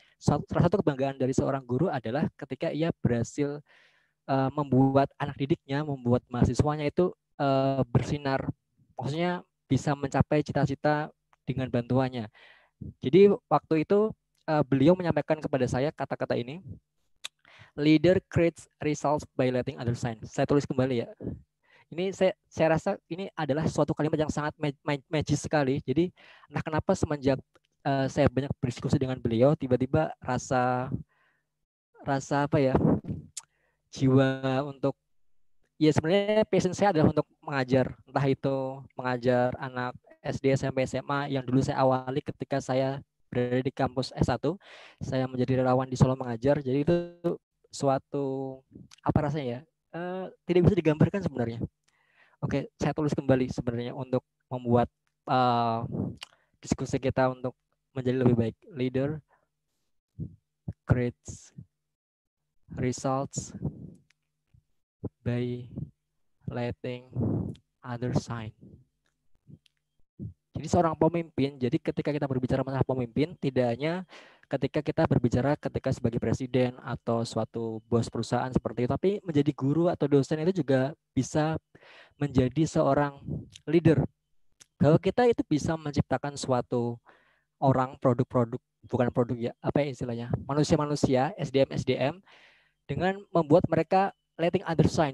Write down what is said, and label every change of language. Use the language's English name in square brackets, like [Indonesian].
[Indonesian] Salah satu kebanggaan dari seorang guru adalah ketika ia berhasil membuat anak didiknya, membuat mahasiswanya itu bersinar. Maksudnya bisa mencapai cita-cita dengan bantuannya. Jadi waktu itu beliau menyampaikan kepada saya kata-kata ini, [English] Leader creates results by letting others sign. [Indonesian] Saya tulis kembali ya. Ini saya rasa ini adalah suatu kalimat yang sangat magis sekali. Jadi, nah kenapa semenjak saya banyak berdiskusi dengan beliau, tiba-tiba rasa apa ya, jiwa untuk, ya sebenarnya passion saya adalah untuk mengajar. Entah itu mengajar anak SD, SMP, SMA yang dulu saya awali ketika saya berada di kampus S1, saya menjadi relawan di Solo mengajar. Jadi itu suatu, apa rasanya ya, tidak bisa digambarkan sebenarnya. Oke, saya tulis kembali sebenarnya untuk membuat diskusi kita untuk menjadi lebih baik. [English] Leader creates results by letting others sign. [Indonesian] Jadi seorang pemimpin, jadi ketika kita berbicara masalah pemimpin, tidak hanya ketika kita berbicara ketika sebagai presiden atau suatu bos perusahaan seperti itu, tapi menjadi guru atau dosen itu juga bisa menjadi seorang leader. Bahwa kita itu bisa menciptakan suatu orang, produk-produk, bukan produk ya, apa ya istilahnya, manusia-manusia, SDM-SDM, dengan membuat mereka [English] letting others shine.